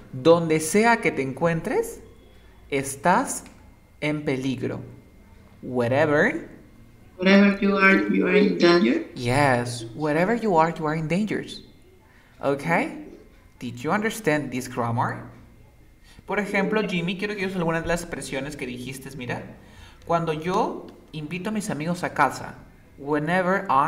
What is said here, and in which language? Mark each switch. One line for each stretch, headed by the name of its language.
Spanish: Donde sea que te encuentres, estás en peligro.
English: Whatever. Whatever you are in danger. Yes. Whatever you are in danger. Okay? Did you understand this grammar?
Spanish: Por ejemplo, Jimmy, quiero que uses algunas de las expresiones que dijiste. Mira, cuando yo invito a mis amigos a casa, whenever